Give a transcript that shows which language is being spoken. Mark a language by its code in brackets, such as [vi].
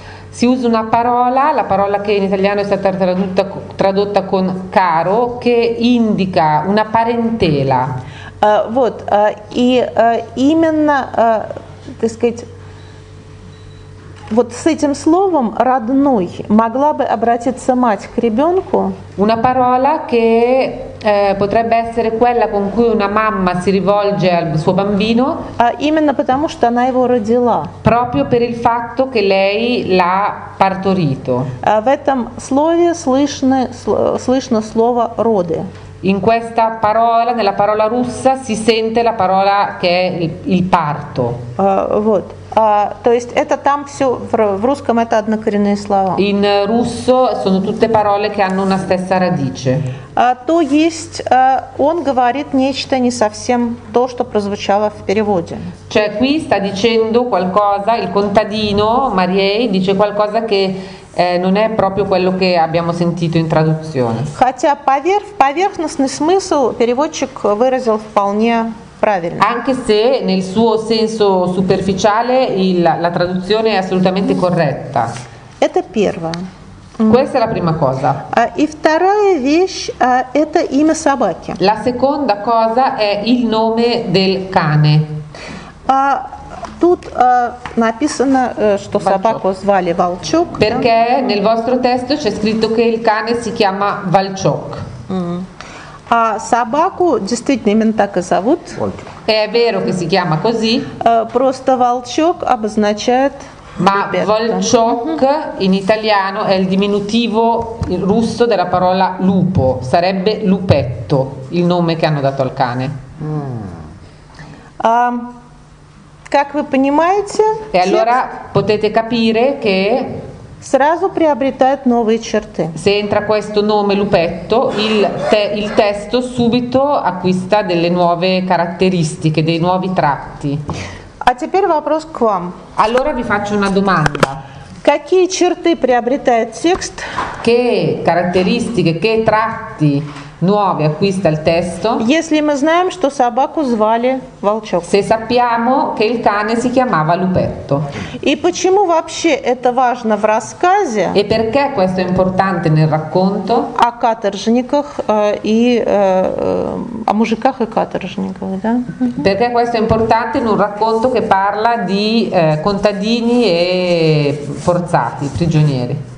[it] Si usa una parola, la parola che in italiano è stata tradotta con caro, che indica una parentela. [ru] Вот, и именно, так сказать, вот с этим словом родной могла бы обратиться мать к ребенку. [it] Una parola che potrebbe essere quella con cui una mamma si rivolge al suo bambino. [ru] Именно потому, что она его родила. [it] Proprio per il fatto che lei l'ha partorito. [ru] В этом слове слышно слово роды. [it] In questa parola, nella parola russa, si sente la parola che è il parto. [ru] Вот. То есть это там все в русском это однокоренные слова. [it] In russo sono tutte parole che hanno una stessa radice. [ru] То есть он говорит нечто не совсем то, что прозвучало в переводе. [it] Cioè qui sta dicendo qualcosa il contadino Mariei dice qualcosa che non è proprio quello che abbiamo sentito in traduzione. [ru] Хотя поверхностный смысл переводчик выразил вполне. [it] Anche se nel suo senso superficiale la traduzione è assolutamente corretta. [ru] Это первое. [it] Questa è la prima cosa. [ru] И вторая вещь это имя собаки. [it] La seconda cosa è il nome del cane. [ru] Тут написано, что Волчок. Собаку звали Волчок. [it] Perché [ru] да? [it] Nel vostro testo c'è scritto che il cane si chiama Волчок. [ru] А собаку действительно именно так и зовут. [it] È vero che si chiama così. [ru] Просто волчок обозначает. [it] Ma волчок in italiano è il diminutivo russo della parola lupo. Sarebbe lupetto il nome che hanno dato al cane. [ru] Как вы понимаете? [it] E allora potete capire che [ru] сразу приобретает новые черты. [it] Se entra questo nome Lupetto, il testo subito acquista delle nuove caratteristiche, dei nuovi tratti. [ru] А теперь вопрос к вам. [it] Allora vi faccio una domanda. [ru] Какие черты приобретает текст? [it] Che caratteristiche, che tratti nuovi acquista il testo? [ru] Если мы знаем, что собаку звали Волчок. [it] Se sappiamo che il cane si chiamava Lupetto. [ru] И почему вообще это важно в рассказе? [it] E perché questo è importante nel racconto? [ru] О каторжниках и о мужиках и каторжниках, да? [it] Perché questo è importante in un racconto che parla di contadini e forzati, prigionieri.